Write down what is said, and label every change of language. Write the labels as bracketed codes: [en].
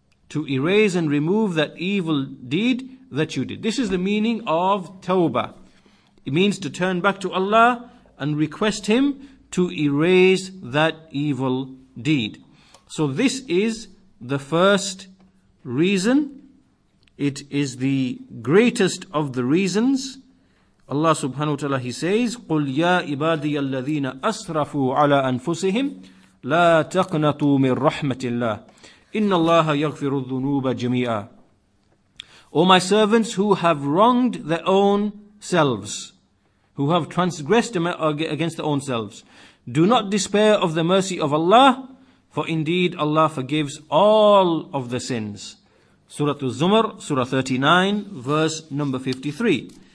[en] To erase and remove that evil deed that you did. This is the meaning of tawbah. It means to turn back to Allah and request Him to erase that evil deed. So this is the first reason. It is the greatest of the reasons. Allah subhanahu wa ta'ala, He says, [ar] قُلْ يَا إِبَادِيَ الَّذِينَ أَسْرَفُوا عَلَىٰ أَنفُسِهِمْ لَا تَقْنَطُوا مِنْ رَحْمَةِ اللَّهِ إِنَّ اللَّهَ يَغْفِرُ الذُّنُوبَ جَمِيعًا. [en] O my servants who have wronged their own selves, who have transgressed against their own selves, do not despair of the mercy of Allah, for indeed Allah forgives all of the sins. Surah Az-Zumar, Surah 39, verse number 53.